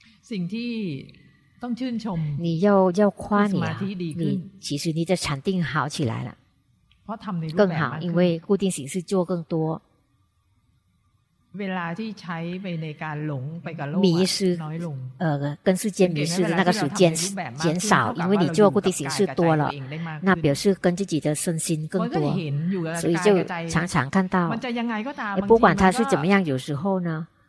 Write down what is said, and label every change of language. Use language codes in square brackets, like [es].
[th] สิ่งที่ต้องชื่นชม [zh] 你要夸你 [th] สมาธิดีขึ้น [zh] 其实你的禅定好起来了 [th] เพราะทำในรูปแบ [zh] บ更好因为固定形式做更多 [th] เวลาที่ใช้ไปในการหลงไปกับโลก [zh] 迷失 [th] น้อยลง [zh] 跟世间迷失的那个时间减少因为你做固定形式多了那表示跟自己的身心更多所以就常常看到 [th] มันจะยังไงก็ตาม บางทีมันก็ [zh] 怎么样有时候呢